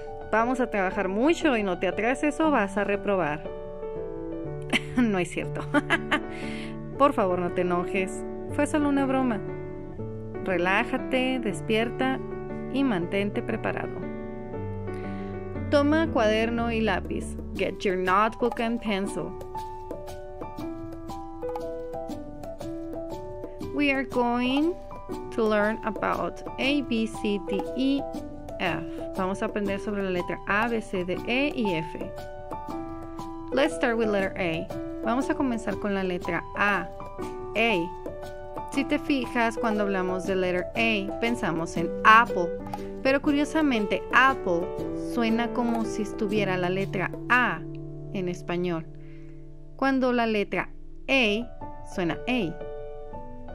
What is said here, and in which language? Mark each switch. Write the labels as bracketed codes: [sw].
[es] Vamos a trabajar mucho y no te atrases o vas a reprobar. No es cierto. Por favor, no te enojes. Fue solo una broma. Relájate, despierta y mantente preparado. Toma cuaderno y lápiz. [en] Get your notebook and pencil. We are going to learn about A, B, C, D, E, F. [es] Vamos a aprender sobre la letra A, B, C, D, E y F. [en] Let's start with letter A. [es] Vamos a comenzar con la letra A. A. Si te fijas, cuando hablamos de [en] letter A, [es] pensamos en apple. Pero curiosamente, apple suena como si estuviera la letra A en español. Cuando la letra A suena A.